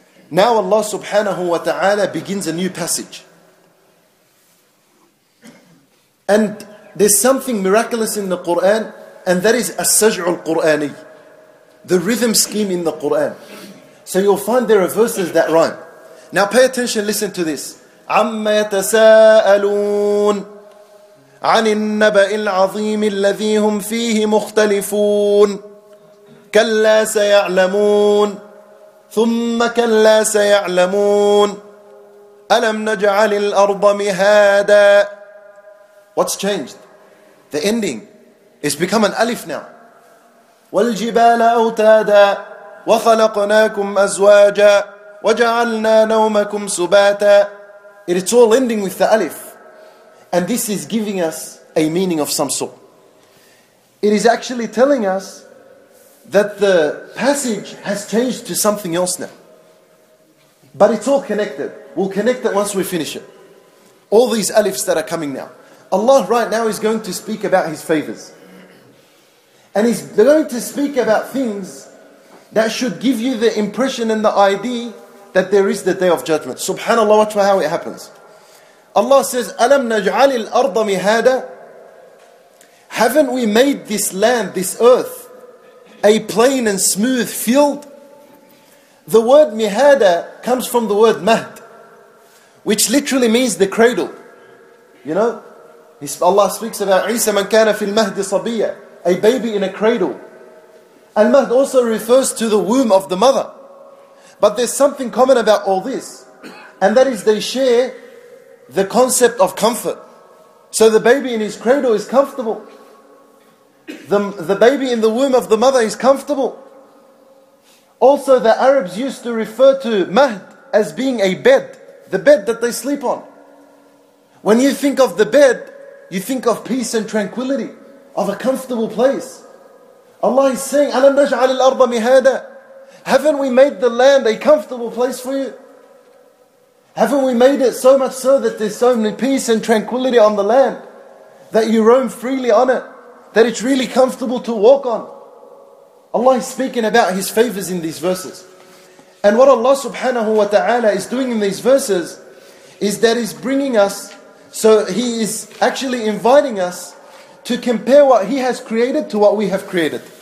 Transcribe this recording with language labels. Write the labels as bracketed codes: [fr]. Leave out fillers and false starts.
[en] Now Allah subhanahu wa ta'ala begins a new passage. And there's something miraculous in the Qur'an, and that is السَّجْعُ الْقُرْآنِي, the rhythm scheme in the Qur'an. So you'll find there are verses that rhyme. Now pay attention, listen to this. [ar] عَمَّ يَتَسَاءَلُونَ عَنِ النَّبَإِ الْعَظِيمِ الَّذِي هُمْ فِيهِ مُخْتَلِفُونَ كَلَّا سَيَعْلَمُونَ ثم كلا سيعلمون ألم نجعل الأرض مهادا. [en] What's changed? The ending. It's become an alif now. [ar] والجبال أوتادا وخلقناكم أزواجا وجعلنا نومكم سباتا. [en] It's all ending with the alif. And this is giving us a meaning of some sort. It is actually telling us that the passage has changed to something else now. But it's all connected. We'll connect it once we finish it. All these alifs that are coming now. Allah right now is going to speak about His favors. And He's going to speak about things that should give you the impression and the idea that there is the Day of Judgment. SubhanAllah, watch how it happens. Allah says, [ar] أَلَمْ نَجْعَلِ الْأَرْضَ مِهَادًا. [en] Haven't we made this land, this earth, a plain and smooth field? The word mihada comes from the word mahd, which literally means the cradle. You know, Allah speaks about Isa [ar] man kana fil mahdi sabiyya, [en] a baby in a cradle. Al mahd also refers to the womb of the mother. But there's something common about all this, and that is they share the concept of comfort. So the baby in his cradle is comfortable. The baby in the womb of the mother is comfortable. Also, the Arabs used to refer to mahd as being a bed, the bed that they sleep on. When you think of the bed, you think of peace and tranquility, of a comfortable place. Allah is saying, [ar] أَلَمْ نَجْعَلِ الْأَرْضَ مِهَادًا. [en] Haven't we made the land a comfortable place for you? Haven't we made it so much so that there's so many peace and tranquility on the land, that you roam freely on it, that it's really comfortable to walk on? Allah is speaking about His favors in these verses. And what Allah subhanahu wa ta'ala is doing in these verses is that He's bringing us, so He is actually inviting us to compare what He has created to what we have created.